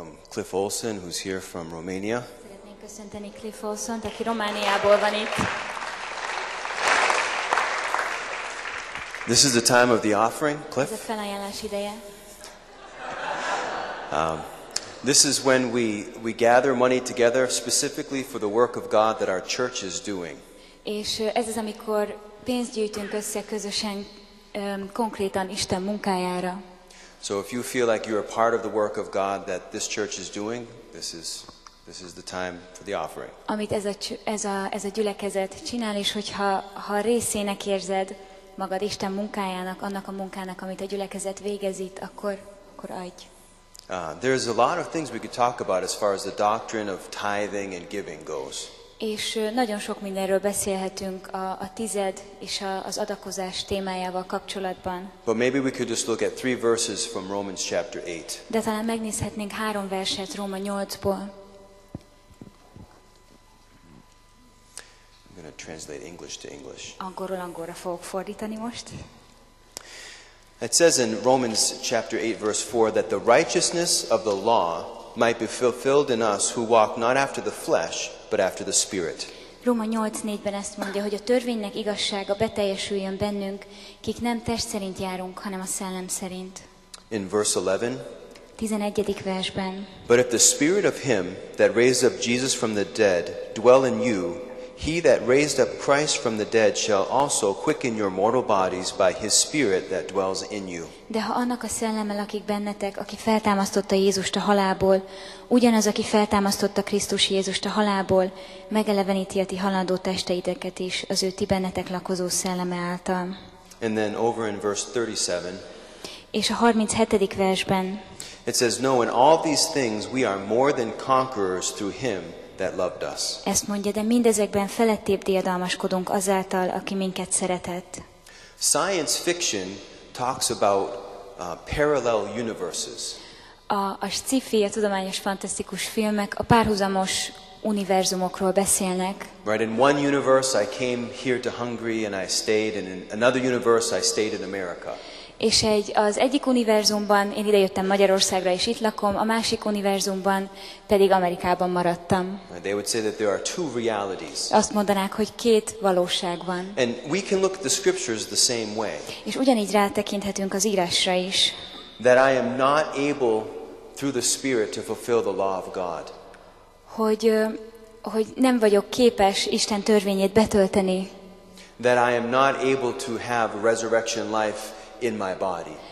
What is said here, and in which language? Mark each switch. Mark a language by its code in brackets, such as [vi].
[en] Cliff Olson, who's here from Romania. [hu] Szeretnénk köszönteni Cliff Olsont, aki Romániából van itt. [en] This is the time of the offering, Cliff. [hu] Ez a felajánlás ideje. [en] This is when we gather money together specifically for the work of God that our church is doing. [hu] És ez az, amikor pénzt gyűjtünk össze közösen konkrétan Isten munkájára. [en] So if you feel like you're a part of the work of God that this church is doing, this is the time for the offering. [hu] Amit ez a gyülekezet csinál, és hogyha részének érzed magad Isten munkájának, annak a munkának, amit a gyülekezet végez itt, akkor adj. [en] There's a lot of things we could talk about as far as the doctrine of tithing and giving goes. [hu] És nagyon sok mindenről beszélhetünk a tized és az adakozás témájával kapcsolatban. [en] But maybe we could just look at three verses from Romans chapter 8. [hu] De talán megnézhetnénk három verset Róma 8-ból. [en] I'm going to translate English to English. [hu] Angolról angolra fogok fordítani most. [en] It says in Romans chapter 8 verse 4 that the righteousness of the law might be fulfilled in us who walk not after the flesh, but after the spirit. [hu] Róma 8:4-ben ezt mondja, hogy a törvénynek igazsága beteljesüljön bennünk, kik nem test szerint járunk, hanem a szellem szerint. [en] In verse 11. [hu] 11. versben. [en] But if the spirit of him that raised up Jesus from the dead dwell in you, he that raised up Christ from the dead shall also quicken your mortal bodies by his spirit that dwells in you. [hu] De ha annak a szelleme lakik bennetek, aki feltámasztotta Jézust a halálból, ugyanaz, aki feltámasztotta Krisztus Jézust a halálból, megeleveníti a ti halandó testeiteket is az ő ti bennetek lakozó szelleme által. [en] And then over in verse 37. [hu] És a 37. versben. [en] It says, no, in all these things we are more than conquerors through him that loved us. [hu] Ezt mondja, de mindezekben felettébb diadalmaskodunk azáltal, aki minket szeretett. [en] Science fiction talks about parallel universes. [hu] A sci-fi, a tudományos fantasztikus filmek a párhuzamos univerzumokról beszélnek. [en] Right, in one universe I came here to Hungary and I stayed, and in another universe I stayed in America. [hu] És az egyik univerzumban én idejöttem Magyarországra és itt lakom, a másik univerzumban pedig Amerikában maradtam. [en] They would say that there are two realities. [hu] Azt mondanák, hogy két valóság van. [en] And we can look at the scriptures the same way. [hu] És ugyanígy rátekinthetünk az írásra is. [en] That I am not able through the spirit to fulfill the law of God. [hu] Hogy hogy nem vagyok képes Isten törvényét betölteni. [en] That I am not able to have resurrection life in my body.